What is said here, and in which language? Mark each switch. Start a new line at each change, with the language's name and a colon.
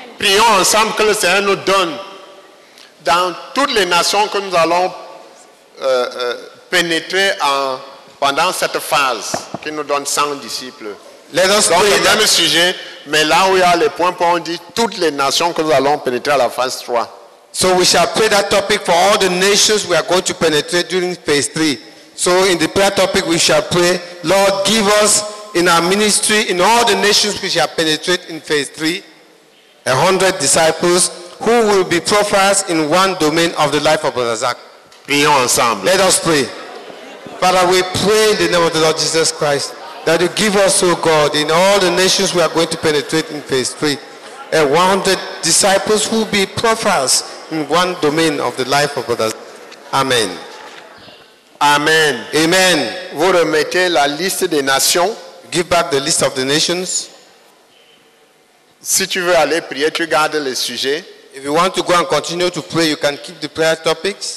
French: Prions ensemble que le Seigneur nous donne dans toutes les nations que nous allons pénétrer en, pendant cette phase, qui nous donne 100 disciples. Les donc, le même sujet, mais là où il y a les points pour on dit toutes les nations que nous allons pénétrer à la phase 3.
English: So we shall pray that topic for all the nations we are going to penetrate during phase 3. So in the prayer topic we shall pray, Lord, give us in our ministry, in all the nations we shall penetrate in phase 3, 100 disciples who will be prophets in one domain of the life of Brother Zach.
French: Prions ensemble.
English: Let us pray. Father, we pray in the name of the Lord Jesus Christ that you give us, O God, in all the nations we are going to penetrate in phase 3, 100 disciples who will be prophets in one domain of the life of Brother Zach. Amen. Amen. Amen.
French: Vous remettez la liste des nations.
English: Give back the list of the nations.
French: Si tu veux aller prier, tu gardes les sujets.
English: If you want to go and continue to pray, you can keep the prayer topics.